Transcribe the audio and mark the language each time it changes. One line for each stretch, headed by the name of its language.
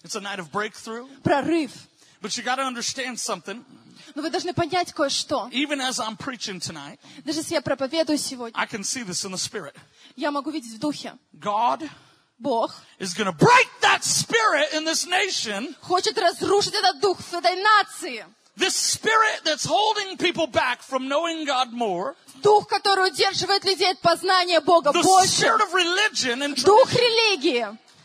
English: It's a night of breakthrough.
Russian: Прорыв.
English: But you got to understand something.
Russian: Но вы должны понять кое-что.
English: Even as I'm preaching tonight,
Russian: даже если я проповедую сегодня,
English: I can see this in the spirit.
Russian: Я могу видеть в духе.
English: God,
Russian: Бог,
English: is going to break that spirit in this nation.
Russian: Хочет разрушить этот дух в этой нации.
English: This spirit that's holding people back from knowing God more.
Russian: Дух, который удерживает людей от познания Бога
English: the
Russian: больше.
English: The spirit of religion and truth.
Russian: Дух религии.